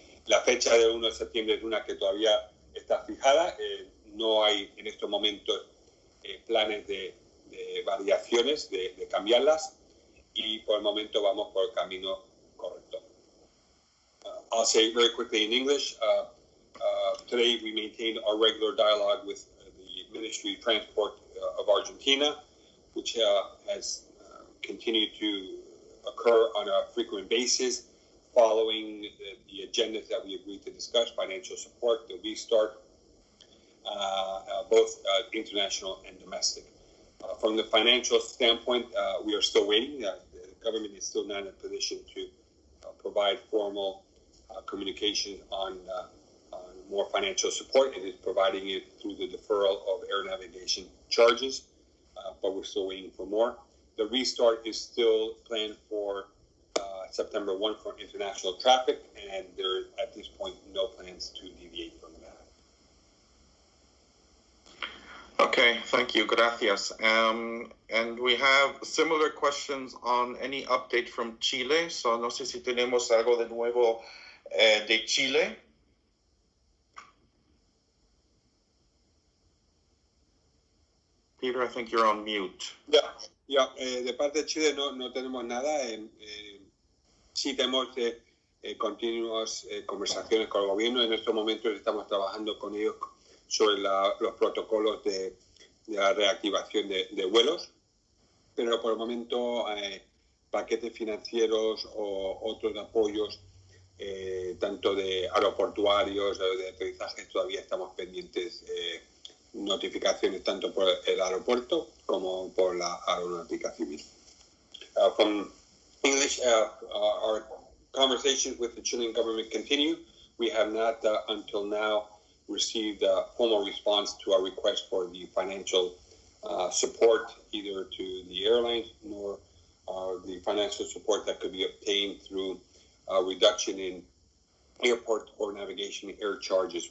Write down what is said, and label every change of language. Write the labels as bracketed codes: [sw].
[es] La fecha del 1 de septiembre es una que todavía está fijada. No hay en estos momentos planes de variaciones, de cambiarlas. Y por el momento vamos por el camino correcto. [en] I'll say very quickly in English. Today we maintain our regular dialogue with the Ministry of Transport of Argentina, which has continued to occur on a frequent basis. Following the agendas that we agreed to discuss, financial support, the restart, both international and domestic. From the financial standpoint, we are still waiting. The government is still not in a position to provide formal communication on more financial support. It is providing it through the deferral of air navigation charges, but we're still waiting for more. The restart is still planned for September 1 for international traffic, and there is at this point no plans to deviate from that. Okay, thank you. [es] Gracias. [en] And we have similar questions on any update from Chile. [es] So no sé si tenemos algo de nuevo de Chile. [en] Peter, I think you're on mute. Yeah. [es] De parte de Chile no tenemos nada. Sí, tenemos continuas conversaciones con el gobierno. En estos momentos estamos trabajando con ellos sobre los protocolos de de la reactivación de vuelos, pero por el momento paquetes financieros o otros apoyos, tanto de aeroportuarios o de aterrizaje, todavía estamos pendientes notificaciones tanto por el aeropuerto como por la aeronáutica civil. [en] From English, our conversations with the Chilean government continue. We have not, until now, received a formal response to our request for the financial support, either to the airlines nor the financial support that could be obtained through a reduction in airport or navigation air charges.